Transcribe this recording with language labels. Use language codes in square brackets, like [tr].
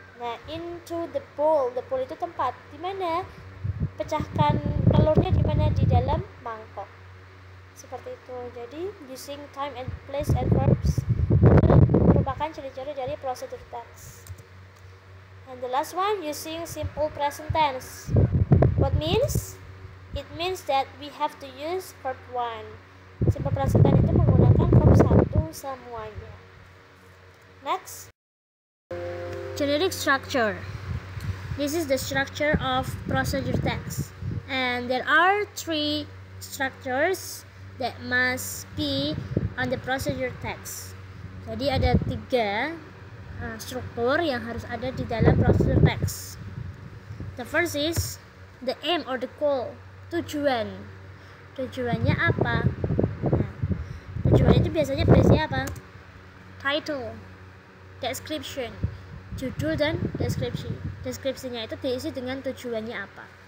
[id] Nah, [en] into the bowl [id] itu tempat, di mana pecahkan telurnya, di mana, di dalam mangkok. Seperti itu. Jadi [en] using time and place adverbs [id] merupakan ciri-ciri dari procedure text. [en] And the last one, using simple present tense. What means? It means that we have to use verb 1. [id] Simple present tense itu menggunakan verb 1 semuanya. [en] Next. Generic structure. This is the structure of procedure tense. And there are 3 structures that must be on the procedure tense. [id] Jadi ada 3 struktur yang harus ada di dalam procedure tense. [en] The first is the aim or the goal. [id] Tujuan. Tujuannya apa? Nah, tujuannya itu biasanya berisi apa? Title, description, judul dan deskripsi. Deskripsinya itu diisi dengan tujuannya apa.